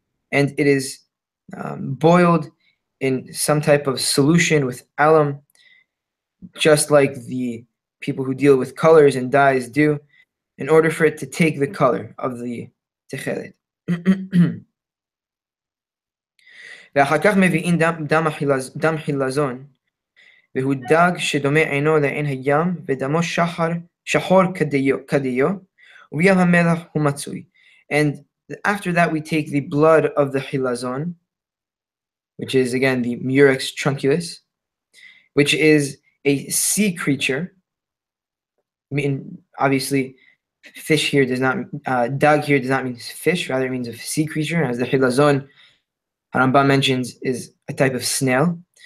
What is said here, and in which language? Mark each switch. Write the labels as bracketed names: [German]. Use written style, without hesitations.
[English] and it is boiled in some type of solution with alum, just like the people who deal with colors and dyes do, in order for it to take the color of the techelet. [Hebrew] ואחר כך מביאים דם חילזון, והוא דג שדומה עינו לעין הים, ודמו שחור כדיו, ובים המלח הוא מצוי. [English] And after that, we take the blood of the chilazon, which is, again, the Murex trunculus, which is a sea creature. I mean, obviously, fish here does not, dog here does not mean fish, rather it means a sea creature, as the chilazon, Rambam mentions, is a type of snail.